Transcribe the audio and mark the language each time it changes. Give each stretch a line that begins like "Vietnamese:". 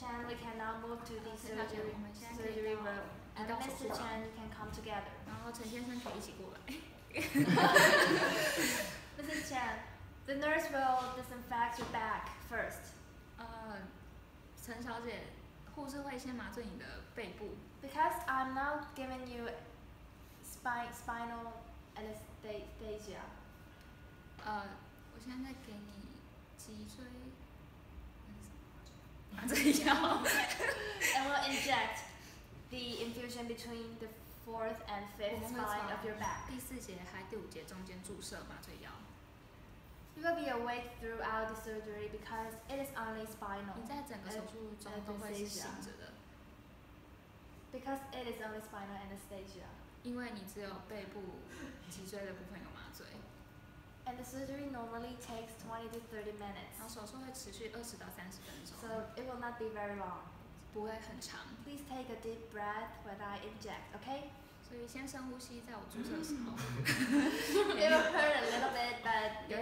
English: Chen, we can now move to the surgery room. And Mr. Chen can come together.
Chinese: 然后陈先生可以一起过来。
English: Mrs. Chen, the nurse will disinfect your back first.
Chinese: 陈小姐，护士会先麻醉你的背部。
English: Because I'm now giving you spinal anesthesia.
Chinese: 我现在给你脊椎麻醉药。
English: And we'll inject the infusion between the fourth and fifth spine of your back.
Chinese: 第四节还第五节中间注射麻醉药。
English: You will be awake throughout the surgery because it is only spinal.
Chinese: 你在整个手术中都会是醒着的。
English: Because it is only spinal anesthesia.
Chinese: 因为你只有背部脊椎的部分有麻醉。
English: And the surgery normally takes 20 to 30 minutes.
Chinese: 然后手术会持续20到30分钟。
English: So it will not be very long.
Chinese: 不会很长。
English: Please take a deep breath when I inject, okay?
Chinese: 所以先深呼吸，在我注射的时候。
English: It will hurt a little bit, but you're